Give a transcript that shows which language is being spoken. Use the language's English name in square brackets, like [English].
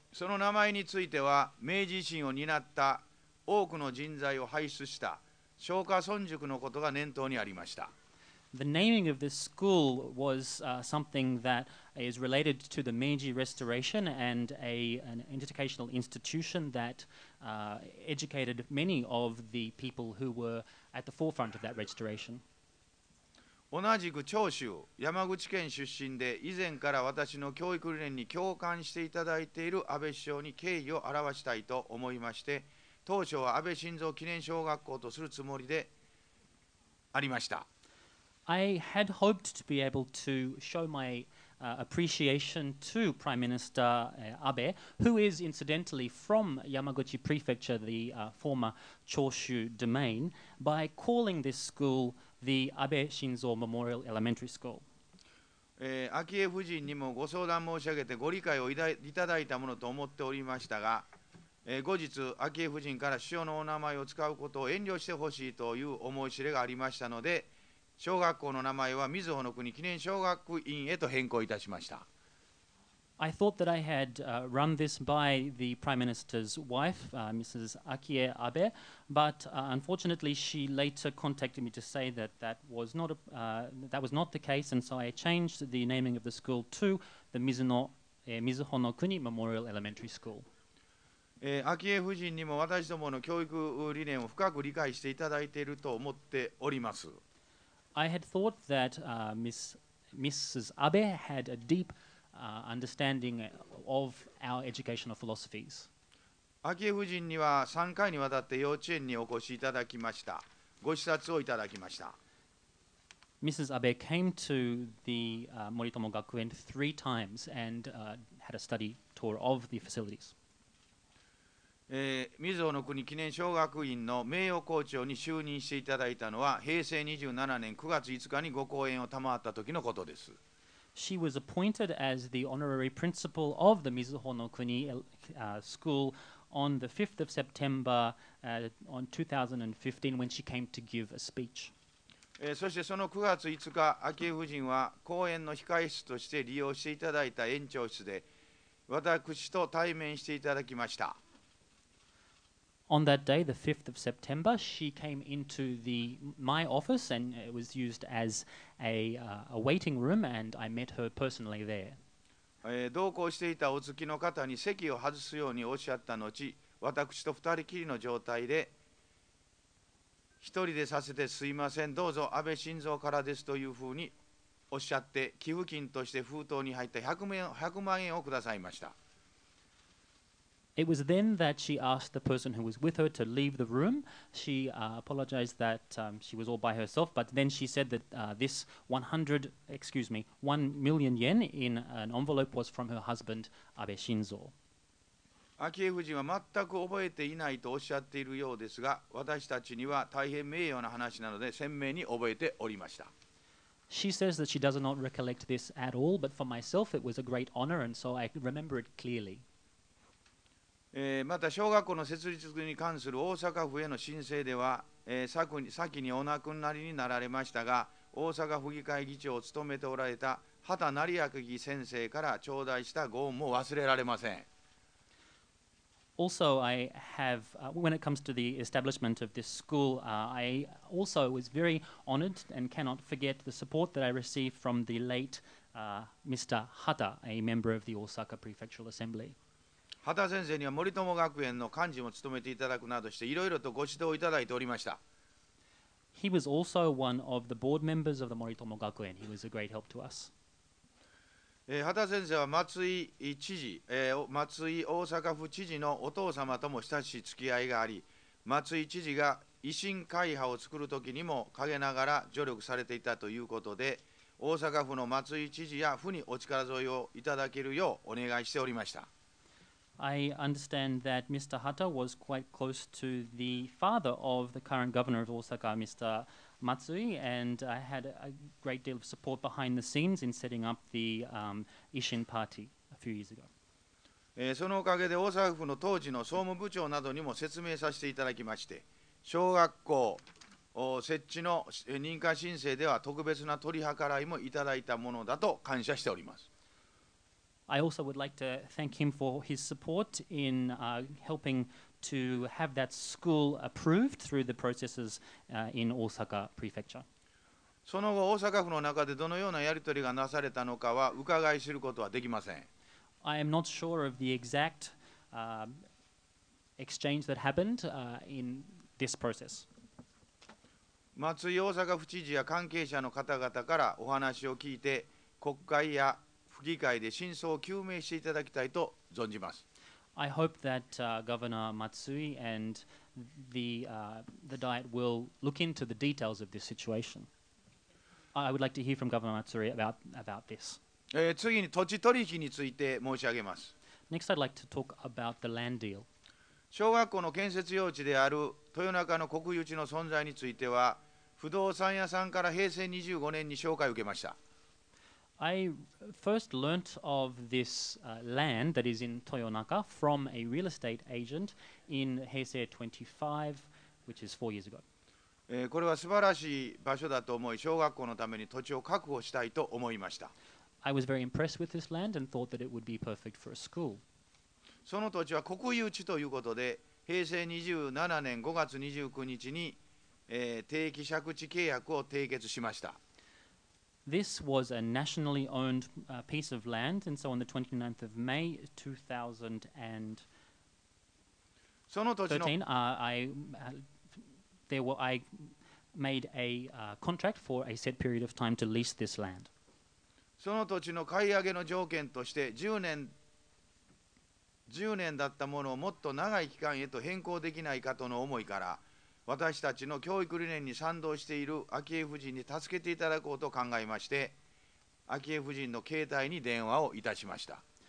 [Japanese] その名前については明治維新を担った多くの人材を輩出した松下村塾のことが念頭にありました。 [English] The naming of this school was something that is related to the Meiji Restoration and an educational institution that educated many of the people who were at the forefront of that restoration. [Japanese] 同じく長州、山口県出身で以前から私の教育理念に共感していただいている安倍首相に敬意を表したいと思いまして、当初は安倍晋三記念小学校とするつもりでありました。 [English] I had hoped to be able to show my appreciation to Prime Minister Abe, who is incidentally from Yamaguchi Prefecture, the former Choshu domain, by calling this school the Abe Shinzo Memorial Elementary School. [Japanese] 昭恵夫人にもご相談申し上げてご理解をいただいたものと思っておりましたが、後日昭恵夫人から首相のお名前を使うことを遠慮してほしいという思い知れがありましたので、小学校の名前は瑞穂の国記念小学院へと変更いたしました。 [English] I thought that I had run this by the Prime Minister's wife, Mrs. Akie Abe, but unfortunately she later contacted me to say that that was not the case, and so I changed the naming of the school to the Mizuho no Kuni Memorial Elementary School. [Japanese] 昭恵夫人にも私どもの教育理念を深く理解していただいていると思っております。 [English] I had thought that Mrs. Abe had a deep understanding of our educational philosophies. [Japanese] 昭恵夫人には3回にわたって幼稚園にお越しいただきました。ご視察をいただきました。 [English] Mrs. Abe came to the Moritomo Gakuen three times and had a study tour of the facilities. [Japanese] 瑞穂の国記念小学院の名誉校長に就任していただいたのは平成27年9月5日にご講演を賜った時のことです。 [English] She was appointed as the honorary principal of the Mizuho no Kuni school on the 5th of September on 2015 when she came to give a speech. [Japanese] そしてその9月5日、昭恵夫人は講演の控え室として利用していただいた園長室で私と対面していただきました。 [English] On that day, the 5th of September, she came into my office and it was used as a waiting room and I met her personally there. [Japanese] 同行していたお付きの方に席を外すようにおっしゃった後、私と二人きりの状態で、一人でさせてすいません、どうぞ安倍晋三からですというふうにおっしゃって寄付金として封筒に入った100万円をくださいました。 [English] It was then that she asked the person who was with her to leave the room. She apologized that she was all by herself, but then she said that this 1 million yen in an envelope was from her husband, Abe Shinzo. [Japanese] 昭恵夫人は全く覚えていないとおっしゃっているようですが、私たちには大変名誉な話なので鮮明に覚えておりました。 [English] She says that she does not recollect this at all, but for myself it was a great honor, and so I remember it clearly. [Japanese] また小学校の設立に関する大阪府への申請では、先にお亡くなりになられましたが、大阪府議会議長を務めておられた畑成明先生から頂戴したご恩も忘れられません。 [English] Also, I have, when it comes to the establishment of this school, I also was very honored and cannot forget the support that I received from the late Mr. Hata, a member of the Osaka Prefectural Assembly. [Japanese] 畑先生には森友学園の幹事も務めていただくなどしていろいろとご指導をいただいておりました。 [English] He was also one of the board members of the 森友学園. He was a great help to us. [Japanese] 畑先生は松井大阪府知事のお父様とも親しい付き合いがあり、松井知事が維新会派を作るときにも陰ながら助力されていたということで、大阪府の松井知事や府にお力添えをいただけるようお願いしておりました。 [English] I understand that Mr. Hata was quite close to the father of the current governor of Osaka, Mr. Matsui, and I had a great deal of support behind the scenes in setting up the Ishin Party a few years ago. [Japanese] そのおかげで大阪府の当時の総務部長などにも説明させていただきまして、小学校設置の認可申請では特別な取り計らいもいただいたものだと感謝しております。 [English] I also would like to thank him for his support in helping to have that school approved through the processes in Osaka Prefecture. [Japanese] その後、大阪府の中でどのようなやり取りがなされたのかは伺い知ることはできません。 [English] I am not sure of the exact exchange that happened in this process. [Japanese] 松井大阪府知事や関係者の方々からお話を聞いて、国会や府議会で真相を究明していただきたいと存じます。 [English] I hope that Governor Matsui and the Diet will look into the details of this situation. I would like to hear from Governor Matsui about this. [Japanese] 次に土地取引について申し上げます。 [English] Next, I'd like to talk about the land deal. [Japanese] 小学校の建設用地である豊中の国有地の存在については、不動産屋さんから平成25年に紹介を受けました。 [English] I first learnt of this land that is in Toyonaka from a real estate agent in Heisei 25, which is 4 years ago. [Japanese] これは素晴らしい場所だと思い、小学校のために土地を確保したいと思いました。 [English] I was very impressed with this land and thought that it would be perfect for a school. [Japanese] その土地は国有地ということで、平成27年5月29日に、定期借地契約を締結しました。 [English] This was a nationally owned piece of land, and so on the 29th of May 2013, I made a contract for a set period of time to lease this land. [Japanese] その土地の買い上げの条件として10年だったものをもっと長い期間へと変更できないかとの思いから、私たちの教育理念に賛同している昭恵夫人に助けていただこうと考えまして、昭恵夫人の携帯に電話をいたしました。